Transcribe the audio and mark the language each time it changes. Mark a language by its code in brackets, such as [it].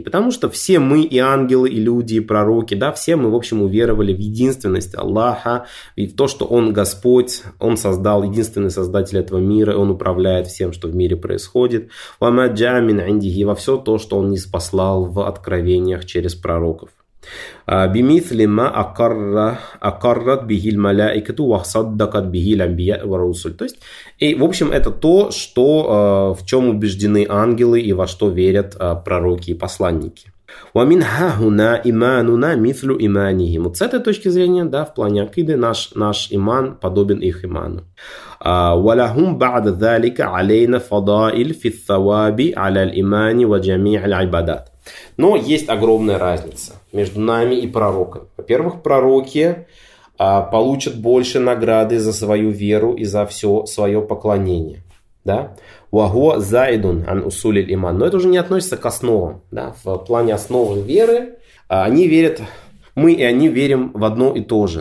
[ru] Потому что все мы, и ангелы, и люди, и пророки, да, все мы, в общем, уверовали в единственность Аллаха, и в то, что Он Господь, Он создал, единственный создатель этого мира, Он управляет всем, что в мире происходит. [ar] وَمَا جَاءَ مِنْ عِنْدِهِ. [ru] Во все то, что Он ниспослал в откровениях через пророков. [ar] بمثل ما أقرت به الملائكة وصدقت به الأنبياء والرسل. [ru] То есть, и в общем, это то, что, в чем убеждены ангелы и во что верят пророки и посланники. [ar] ومن هنا إيماننا مثل إيمانهم. [ru] Вот с этой точки зрения, да, в плане акиды, наш иман подобен их иману. [ar] ولهم بعد ذلك علينا فضائل في الثواب على الإيمان وجميع العبادات. [ru] Но есть огромная разница между нами и пророками. Во-первых, пророки получат больше награды за свою веру и за все свое поклонение. Да? [ar] Вагу заидун ан усулиль иман. [ru] Но это уже не относится к основам. Да? В плане основы веры они верят, мы и они верим в одно и то же.